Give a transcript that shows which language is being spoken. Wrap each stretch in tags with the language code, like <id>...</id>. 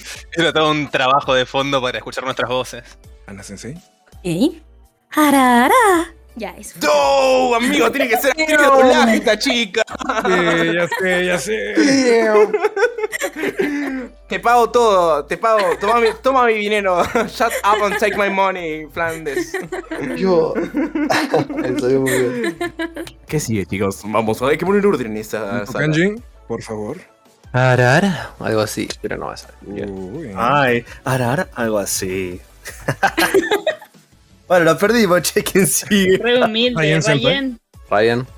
<es>Era todo un trabajo de fondo para escuchar nuestras voces. ¿Ana Sensei? ¿Y? Arara. Ya, eso. ¡No! Amigo, tiene que ser aquí de doblaje esta chica. Sí, ya sé. Te pago todo, toma mi dinero.</es> <en>Shut up and take my money, Flanders.</en> <es>Yo. Eso es muy bien. ¿Qué sigue, chicos? Vamos, hay que poner orden en esta sala. Kanji, por favor. Arara, algo así. Pero no va a salir. Ay, arara, algo así. Bueno, lo perdimos, che, ¿quién sigue? Re humilde, Ryan.</es>